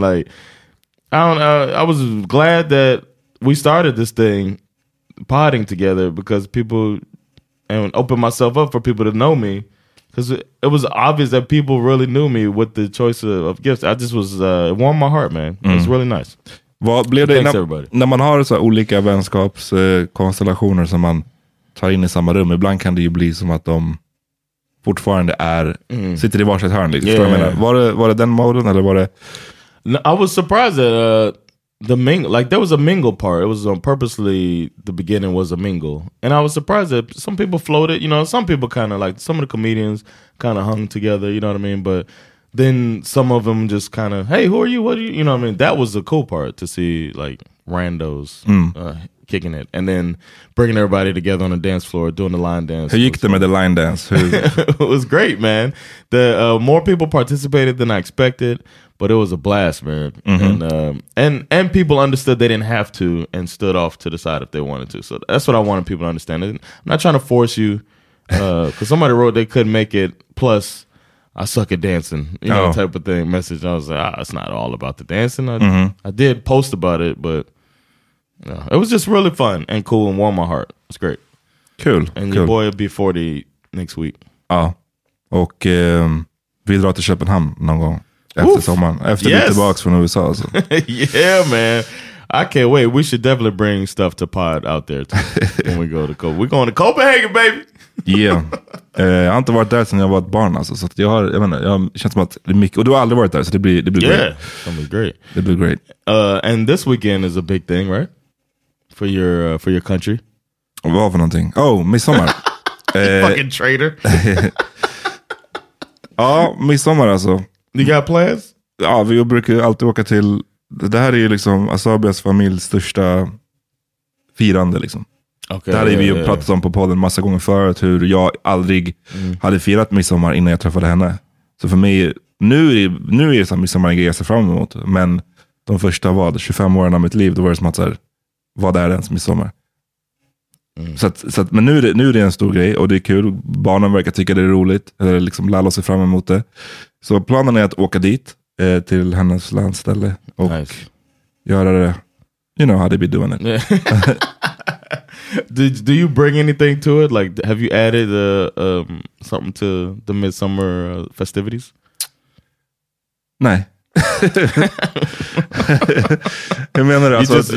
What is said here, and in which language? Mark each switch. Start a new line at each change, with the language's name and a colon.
English: Like, I was glad that we started this thing, potting together, because people, and opened myself up for people to know me. Because it was obvious that people really knew me with the choice of gifts. I just was, it warmed my heart, man. It was really nice.
Swedish: Vad blev det när man har så här olika vänskapskonstellationer som man tar in i samma rum? Ibland kan det ju bli som att de fortfarande är, sitter i varsitt hörn. Liksom, yeah. Var det den moden, eller var det...
English: I was surprised that there was a mingle part. It was purposely, the beginning was a mingle. And I was surprised that some people floated, you know, some people kind of like, some of the comedians kind of hung together, you know what I mean? But then some of them just kind of, hey, who are you? What are you? You know what I mean? That was the cool part, to see like randos kicking it. And then bringing everybody together on the dance floor, doing the line dance.
Swedish: Hur gick det med
English: the line dance? It was great, man. The more people participated than I expected. But it was a blast, man. And people understood they didn't have to, and stood off to the side if they wanted to. So that's what I wanted people to understand. I'm not trying to force you, because somebody wrote they couldn't make it. Plus, I suck at dancing, you know, type of thing. Message. I was like, it's not all about the dancing. I did post about it, but it was just really fun and cool and warmed my heart. It's great. Cool. And cool. Your boy will be 40 next week.
Swedish: Ah, och vi drar till Köpenhamn någon gång. Efter Oof. Sommaren, efter yes. lite box från USA. Så.
English: Yeah, man. I can't wait. We should definitely bring stuff to pod out there too, when we go to Copenhagen. We're going to Copenhagen, baby! Yeah.
Swedish: Jag har inte varit där sedan jag var ett barn. Alltså, så att jag har, jag menar, jag känns som att det är mycket. Och du har aldrig varit där, så det blir
English: yeah. great. Yeah, it'll be great. It'll be great. And this weekend is a big thing, right? For your country.
Swedish: Vad för någonting? Oh, midsommar.
English: Fucking traitor.
Swedish: Ja, midsommar alltså.
English: You got plans?
Swedish: Ja, vi brukar alltid åka till... Det här är ju liksom Asabias familjs största firande liksom. Okay, det här har vi ju pratat om på podden massa gånger förut. Hur jag aldrig hade firat midsommar innan jag träffade henne. Så för mig... Nu är det så här midsommar en grej jag ser fram emot. Men de första vad, 25 åren av mitt liv, då var det som att så här, vad är det ens midsommar? Men nu är det en stor grej och det är kul. Barnen verkar tycka det är roligt. Eller liksom lalla sig fram emot det. Så planen är att åka dit till hennes landställe och nice. Göra det.
English: You know how they be doing it. Yeah. Do you bring anything to it? Like, have you added something to the midsummer festivities?
Swedish: Nej. Jag menar alltså,